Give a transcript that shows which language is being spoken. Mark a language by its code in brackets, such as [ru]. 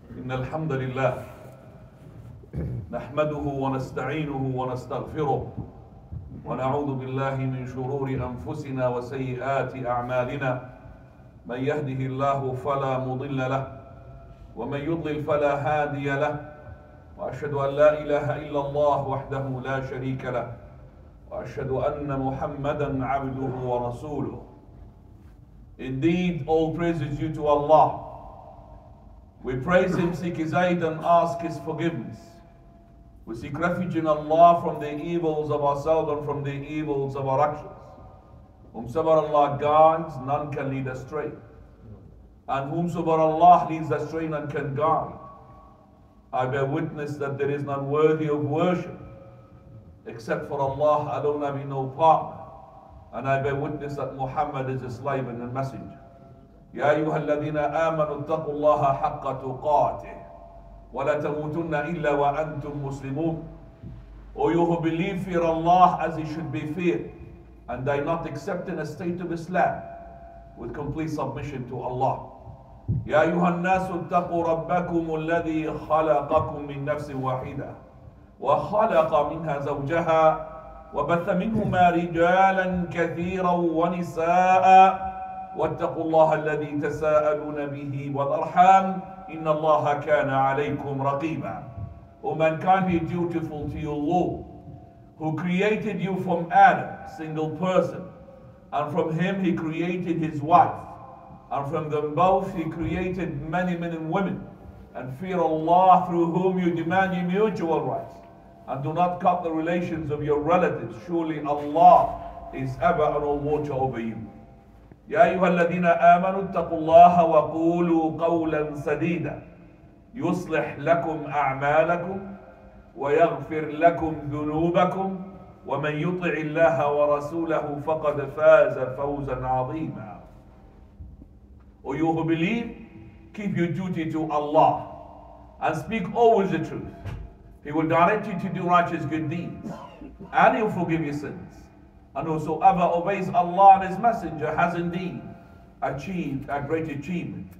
[ar] الحمد لله نحمده ونستعينه ونستغفره ونعوذ بالله من شرور أنفسنا وسيئات أعمالنا من يهده الله فلا مضل له ومن يضلل فلا هادي له وأشهد أن لا إله إلا الله وحده لا شريك له وأشهد أن محمدا عبده ورسوله. [en] Indeed, all praise is due to Allah. We praise Him, seek His aid, and ask His forgiveness. We seek refuge in Allah from the evils of ourselves and from the evils of our actions. Whomsoever Allah guides, none can lead astray. And whomsoever Allah leads astray, none can guide. I bear witness that there is none worthy of worship except for Allah alone, have no partner. And I bear witness that Muhammad is a slave and a messenger. [ar] يا أيها الذين آمنوا اتقوا الله حق تقاته ولا تموتن إلا وأنتم مسلمون. [en] O you who believe, fear Allah as He should be feared, and die not except in a state of Islam with complete submission to Allah. [ar] يا أيها الناس اتقوا ربكم الذي خلقكم من نفس واحدة وخلق منها زوجها وبث منهما رجالا كثيرا ونساء واتقوا الله الذي تساءلون به والأرحام إن الله كان عليكم رقيبا. [en] O mankind, be dutiful to your Lord, who created you from Adam, single person, and from him he created his wife, and from them both he created many men and women, and fear Allah through whom you demand your mutual rights, and do not cut the relations of your relatives. Surely Allah is ever and all watcher over you. [ar] يا أيها الذين آمنوا اتقوا الله وقولوا قولا سديدا يصلح لكم أعمالكم ويغفر لكم ذنوبكم ومن يطع الله ورسوله فقد فاز فوزا عظيما. [en] O you who believe, keep your duty to Allah and speak always the truth. He will direct you to do righteous good deeds, and he will forgive your sins. And whosoever obeys Allah and his messenger has indeed achieved a great achievement.